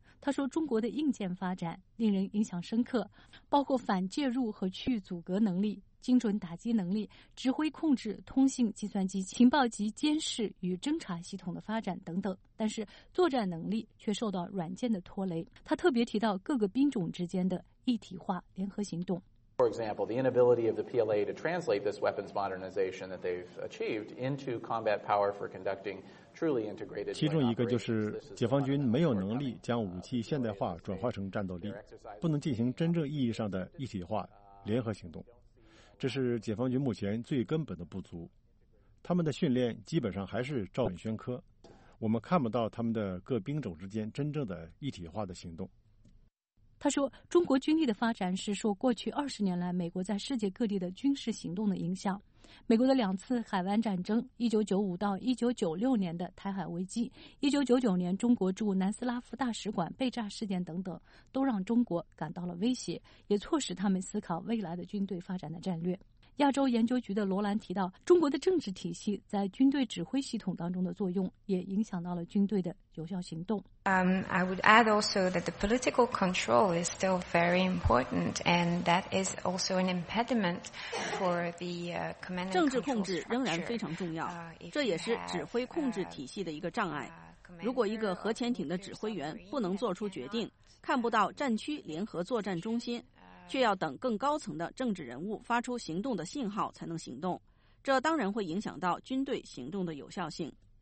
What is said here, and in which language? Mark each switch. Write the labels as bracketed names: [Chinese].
[Chinese] 他说，中国的硬件发展令人印象深刻，包括反介入和区域阻隔能力、精准打击能力、指挥控制、通信计算机、情报及监视与侦察系统的发展等等，但是作战能力却受到软件的拖累。他特别提到各个兵种之间的一体化联合行动。 [English] For example, the inability of the PLA to translate this weapons modernization that they've achieved into combat power for conducting truly integrated. [Chinese] 其中一个就是解放军没有能力将武器现代化转化成战斗力，不能进行真正意义上的一体化联合行动。这是解放军目前最根本的不足。他们的训练基本上还是照本宣科，我们看不到他们的各兵种之间真正的一体化的行动。他说，中国军力的发展是受过去20年来美国在世界各地的军事行动的影响。美国的两次海湾战争，1995到1996年的台海危机，1999年中国驻南斯拉夫大使馆被炸事件等等，都让中国感到了威胁，也迫使他们思考未来的军队发展的战略。亚洲研究局的罗兰提到，中国的政治体系在军队指挥系统当中的作用也影响到了军队的有效行动。 [English] I would add also that the political control is still very important, and that is also an impediment for the command. [Chinese] 政治控制仍然非常重要，这也是指挥控制体系的一个障碍。如果一个核潜艇的指挥员不能做出决定，看不到战区联合作战中心，却要等更高层的政治人物发出行动的信号才能行动，这当然会影响到军队行动的有效性。